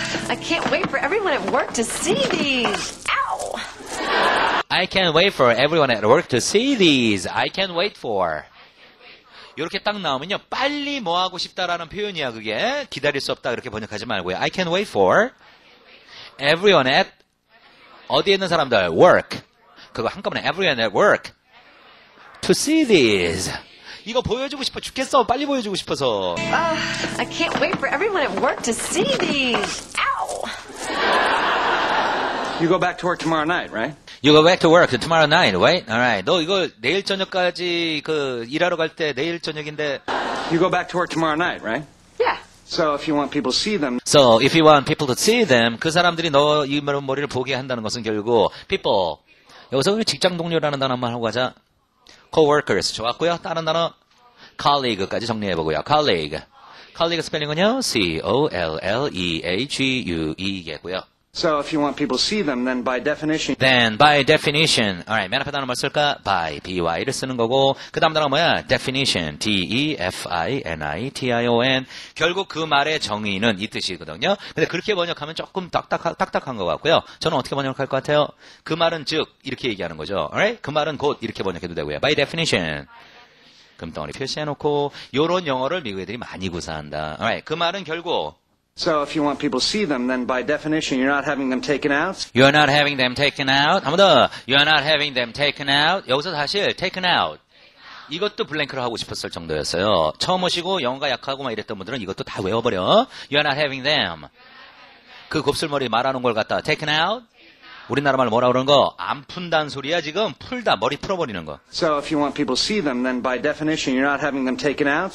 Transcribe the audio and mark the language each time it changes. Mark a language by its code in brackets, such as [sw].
[en] I can't wait for everyone at work to see these. Ow! I can't wait for everyone at work to see these. I can't wait for. [ko] 이렇게 딱 나오면요. 빨리 뭐 하고 싶다라는 표현이야, 그게. 기다릴 수 없다. 이렇게 번역하지 말고요. [en] I can't wait for everyone at [ko] 어디에 있는 사람들? [en] Work. [ko] 그거 한꺼번에 [en] everyone at work to see these. [ko] 이거 보여주고 싶어 죽겠어. 빨리 보여주고 싶어서. [en] I can't wait for everyone at work to see these. Ow! You go back to work tomorrow night, right? You go back to work tomorrow night, right? Alright. [ko] 너 이거 내일 저녁까지 그 일하러 갈 때 내일 저녁인데. [en] You go back to work tomorrow night, right? So if you want people to see them. So if you want people to see them, [ko] 그 사람들이 너 이 머리를 보게 한다는 것은 결국 [en] people. [ko] 여기서 우리 직장 동료라는 단어 한번 하고 가자. Co-workers 좋았고요. 다른 단어 colleague까지 정리해 보고요. Colleague. Colleague 스펠링은요. C-O-L-L-E-A-G-U-E겠고요. [en] So if you want people to see them, then by definition. Then by definition. [ko] Alright, 맨 앞에 단어 뭘 쓸까? By, by를 쓰는 거고. 그 다음 단어 뭐야? Definition. [en] D-E-F-I-N-I-T-I-O-N. [ko] 결국 그 말의 정의는 이 뜻이거든요. 근데 그렇게 번역하면 조금 딱딱한 것 같고요. 저는 어떻게 번역할 것 같아요? 그 말은 즉, 이렇게 얘기하는 거죠. [en] Alright? [ko] 그 말은 곧 이렇게 번역해도 되고요. By definition. 금덩어리 표시해놓고. 요런 영어를 미국 애들이 많이 구사한다. Alright, 그 말은 결국. [en] So if you want people to see them, then by definition, you're not having them taken out. You're not having them taken out. [ko] 한 번 더. [en] You're not having them taken out. [ko] 여기서 사실 taken out. 이것도 블랭크로 하고 싶었을 정도였어요. 처음 오시고 영어가 약하고 막 이랬던 분들은 이것도 다 외워버려. [en] You're not having them. [ko] 그 곱슬머리 말하는 걸 갖다 [en] taken out. [ko] 우리나라 말로 뭐라 그러는 거? 안 푼다는 소리야 지금. 풀다, 머리 풀어버리는 거. [en] So if you want people to see them, then by definition, you're not having them taken out.